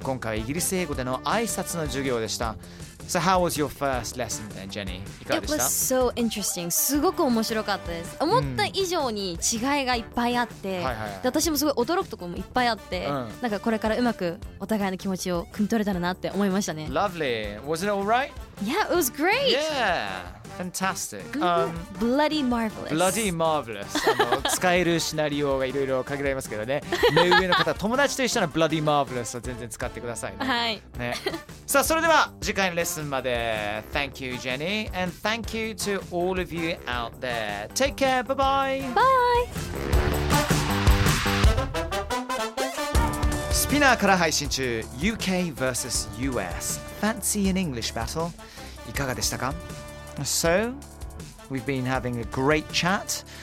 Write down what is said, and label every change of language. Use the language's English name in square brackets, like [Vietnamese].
[Japanese] 今回はイギリス英語での挨拶の授業でした。 [English] So how was your first lesson then, Jenny? It was so interesting. [Japanese] すごく面白かったです。思った以上に違いがいっぱいあって、はいはい、私もすごい驚くところもいっぱいあって、なんかこれからうまくお互いの気持ちを汲み取れたらなって思いましたね。 [English] Lovely. Was it all right? Yeah, it was great. Yeah. Fantastic. Bloody marvelous. Bloody marvelous. [Japanese] 使えるシナリオがいろいろ限られますけどね。目上の方、友達と一緒の Bloody marvelous を全然使ってくださいね。はい。ね。さあ、それでは次回のレッスンまで。 [English] Thank you, Jenny. And thank you to all of you out there. Take care. Bye-bye. Bye. [Japanese] スピナーから配信中。UK versus US. [English] Fancy an English battle. [Japanese] いかがでしたか？ [English] So, we've been having a great chat.